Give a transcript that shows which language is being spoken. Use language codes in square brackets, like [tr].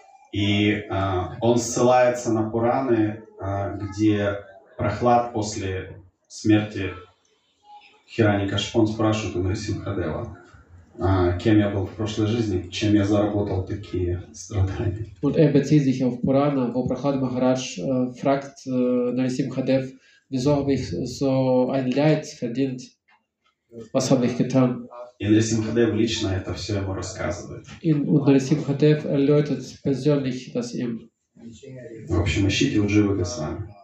[ru] И он ссылается на Пураны, где Прохлад после смерти Хираньякашипу спрашивает у Нарсимхадева, кем я был в прошлой жизни, чем я заработал такие страдания. [de] Und er bezieht sich auf Purana, wo Prahlad Maharaj fragt Narasimhadev, wieso habe ich so ein Leid verdient? Was habe ich getan? [ru] И Нарасимхадев лично это все ему рассказывает. [de] Und Narasimhadev erläutert persönlich das ihm. [ru] В общем, ищите у Джива Госвами.